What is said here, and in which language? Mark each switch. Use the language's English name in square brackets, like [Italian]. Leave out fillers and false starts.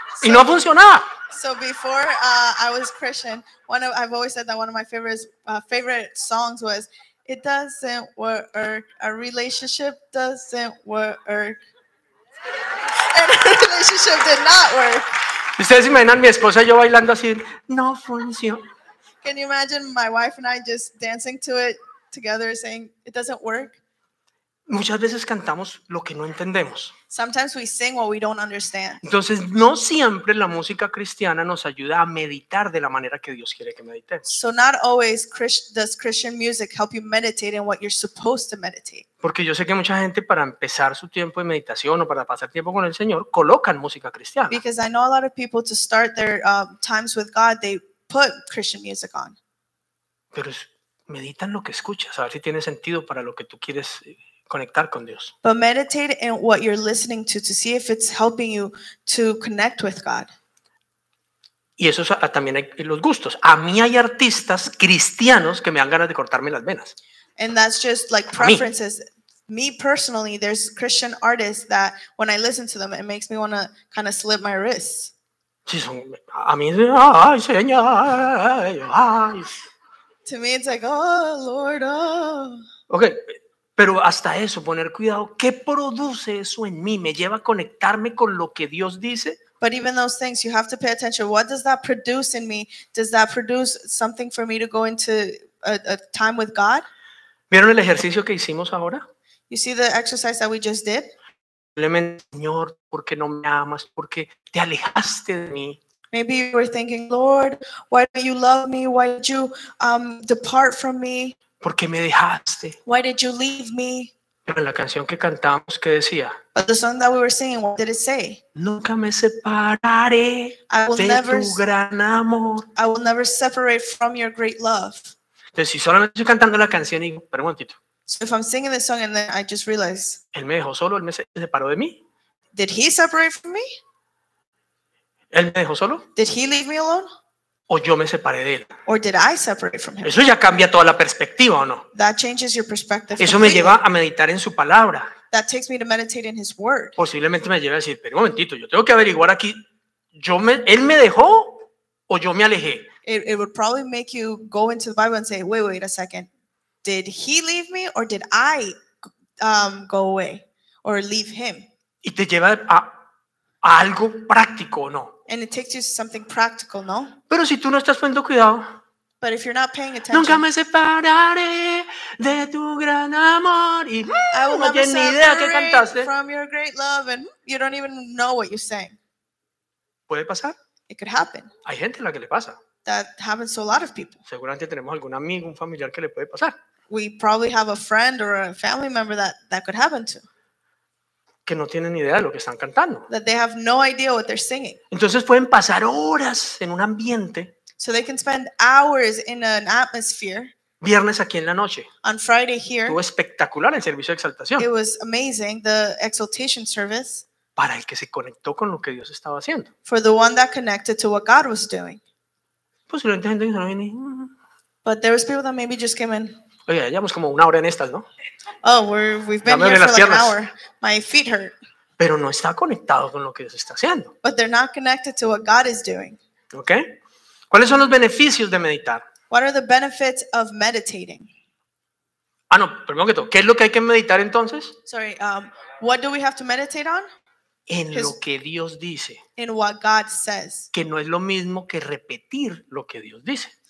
[Spanish] Y no funcionaba. [English] So before I was Christian, I've always said that one of my favorite songs was It doesn't work, a relationship doesn't work. And a relationship did not work. [Spanish] ¿Ustedes imaginan mi esposa y yo bailando así? No funciona. [English] Can you imagine my wife and I just dancing to it together saying it doesn't work? [Spanish] Muchas veces cantamos lo que no entendemos. [English] Sometimes we sing what we don't understand. [Spanish] Entonces, no siempre la música cristiana nos ayuda a meditar de la manera que Dios quiere que meditemos. [English] So not always does Christian music help you meditate in what you're supposed to meditate. [Spanish] Porque yo sé que mucha gente para empezar su tiempo de meditación o para pasar tiempo con el Señor colocan música cristiana. [English] Because I know a lot of people to start their times with God, they put Christian music on. [Spanish] Pero meditan lo que escuchas, a ver si tiene sentido para lo que tú quieres conectar con Dios. [English] But meditate in what you're listening to see if it's helping you to connect with God. [Spanish] Y eso es, también hay los gustos. A mí hay artistas cristianos que me dan ganas de cortarme las venas. [English] And that's just like preferences. Me personally, there's Christian artists that when I listen to them, it makes me want to kind of slip my wrists. [Spanish] Sí, son, a mí, ay, señor, ay. [English] To me, it's like, oh, Lord, oh. [Spanish] Okay, pero hasta eso, poner cuidado, ¿qué produce eso en mí? ¿Me lleva a conectarme con lo que Dios dice? [English] But even those things, you have to pay attention. What does that produce in me? Does that produce something for me to go into a time with God? [Spanish] ¿Vieron el ejercicio que hicimos ahora? [English] You see the exercise that we just did? [Spanish] Señor, ¿por qué no me amas? ¿Por qué te alejaste de mí? [English] Maybe you were thinking, Lord, why don't you love me? Why did you depart from me? [Spanish] ¿Por qué me dejaste? [English] Why did you leave me? [Spanish] Pero en la canción que cantamos, ¿qué decía? [English] But the song that we were singing, what did it say? [Spanish] Nunca me separaré de tu gran amor. [English] I will never separate from your great love. [Spanish] Entonces, si solamente estoy cantando la canción y espera un momentito. [English] So if I'm singing this song and then I just realize. [Spanish] Él me dejó solo, él me separó de mí. [English] Did he separate from me? [Spanish] ¿Él me dejó solo? [English] Did he leave me alone? [Spanish] ¿O yo me separé de él? [English] Or did I separate from him? [Spanish] Eso ya cambia toda la perspectiva, ¿o no? [English] That changes your perspective. [Spanish] Eso [English] completely. [Spanish] Me lleva a meditar en su palabra. [English] That takes me to meditate in his word. [Spanish] Posiblemente me lleve a decir, espera un momentito, yo tengo que averiguar aquí, él me dejó o yo me alejé. [English] It would probably make you go into the Bible and say, wait a second. Did he leave me or did I go away or leave him? [Spanish] Y te lleva a algo práctico, ¿no? [English] And it takes you to something practical, [Spanish] ¿no? Pero si tú no estás poniendo cuidado. [English] But if you're not paying attention. [Spanish] Nunca me separaré de tu gran amor. Y, [English] I will never separate from your great love. And you don't even know what you're saying. [Spanish] ¿Puede pasar? [English] It could happen. [Spanish] Hay gente a la que le pasa. [English] That happens to a lot of people. [Spanish] Seguramente tenemos algún amigo, un familiar que le puede pasar. [English] We probably have a friend or a family member that could happen to. [Spanish] Que no tienen idea de lo que están cantando. [English] That they have no idea what they're singing. [Spanish] Entonces pueden pasar horas en un ambiente. [English] So they can spend hours in an atmosphere. [Spanish] Viernes aquí en la noche. [English] On Friday here. [Spanish] Estuvo espectacular el servicio de exaltación. [English] It was amazing, the exaltation service. [Spanish] Para el que se conectó con lo que Dios estaba haciendo. [English] For the one that connected to what God was doing. [Spanish] Posiblemente gente que no viene. [English] But there was people that maybe just came in. [Spanish] Oye, llevamos como una hora en estas, ¿no? [English] Oh, we've been here for like [Spanish] piernas. [English] An hour. My feet hurt. [Spanish] Pero no está conectado con lo que Dios está haciendo. [English] But they're not connected to what God is doing. ¿Ok? [Spanish] ¿Cuáles son los beneficios de meditar? [English] What are the benefits of meditating? [Spanish] Ah, no, primero que todo, ¿qué es lo que hay que meditar entonces? [English] Sorry, what do we have to meditate on? [Spanish] En lo que Dios dice. [English] In what God says. [Spanish] Que no es lo mismo que repetir lo que Dios dice.